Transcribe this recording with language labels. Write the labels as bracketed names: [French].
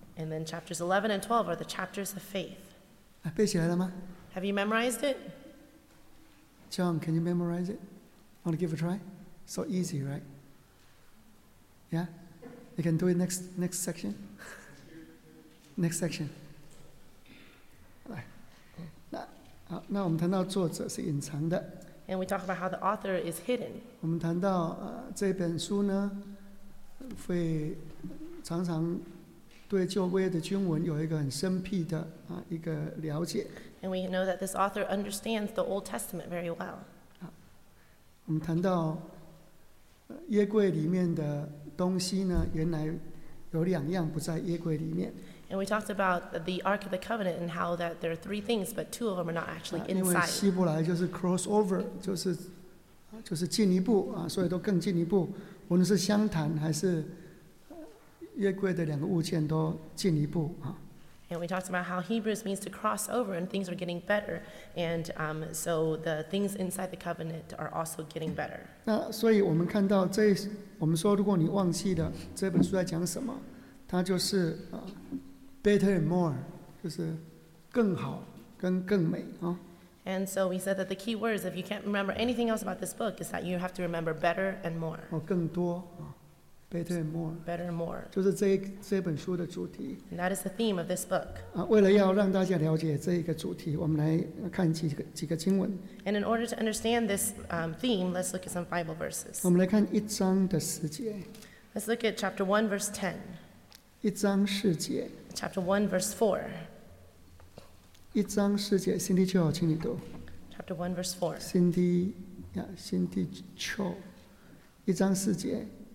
[English] And then chapters 11 and 12 are the chapters of faith. [Chinese] 背起来了吗 [English] ？Have you memorized it? John, can you memorize it? Want to give a try? So easy, right? Yeah, you can do it next section. Next section. [Chinese] 来，那我们谈到作者是隐藏的。 [English] And we talk about how the author is hidden. [Chinese] 我们谈到这本书呢，会常常对旧约的经文有一个很生僻的一个了解。 [English] And we know that this author understands the Old Testament very well. [Chinese] 我们谈到约柜里面的东西呢，原来有两样不在约柜里面。 [English] And we talked about the Ark of the Covenant and how that there are 3 things, but 2 of them are not actually inside. [Chinese] 因为希伯来就是 crossover, 就是进一步啊，所以都更进一步。无论是香坛还是约柜的两个物件都进一步啊。 [English] And we talked about how Hebrews means to cross over and things are getting better. And so the things inside the covenant are also getting better. [Chinese] 那所以我们看到这，我们说如果你忘记的这本书在讲什么，它就是 [English] better and more, [Chinese] 就是更好跟更美啊。 [English] And so we said that the key words, if you can't remember anything else about this book, is that you have to remember better and more. [Chinese] 哦，更多啊 ， [English] better and more. Better and more. [Chinese] 就是这本书的主题。 [English] And that is the theme of this book. [Chinese] 啊，为了要让大家了解这个主题，我们来看几个经文。 [English] And in order to understand this theme, let's look at some Bible verses. [Chinese] 我们来看一章的十节。 [English] Let's look at chapter 1, verse 10. [Chinese] 一章十节。 [English] Chapter 1, verse 4. [Chinese] 一章四节 ，Cindy Cho， 请你读。 [English] Chapter 1, verse 4. [Chinese] Cindy Cho， 一章四节。